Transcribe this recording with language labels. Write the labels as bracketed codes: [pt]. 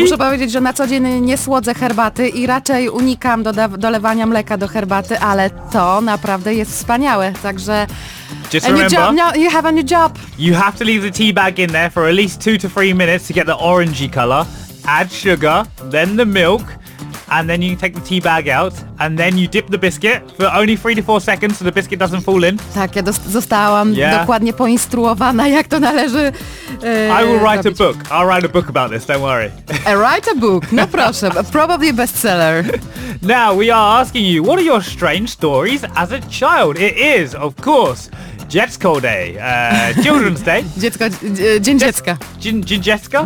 [pl] Muszę powiedzieć, że na co dzień nie słodzę herbaty i raczej unikam dolewania mleka do herbaty, ale to naprawdę jest wspaniałe. Także... [en] Just remember, no, you have a new job. You have to leave the tea bag in there for at least 2 to 3 minutes to get the orangey color. Add sugar, then the milk, and then you take the tea bag out, and then you dip the biscuit for only 3 to 4 seconds so the biscuit doesn't fall in. [pl] Tak, ja zostałam dokładnie poinstruowana, jak to należy. [en] I will write a book. I'll write a book about this, don't worry. I write a book, [pl] no proszę, [en] probably a bestseller. Now we are asking you, what are your strange stories as a child? It is, of course, Dziecko Day, Children's Day. [pl] Dziecko, Dzień Dziecka. Dzień Dziecka?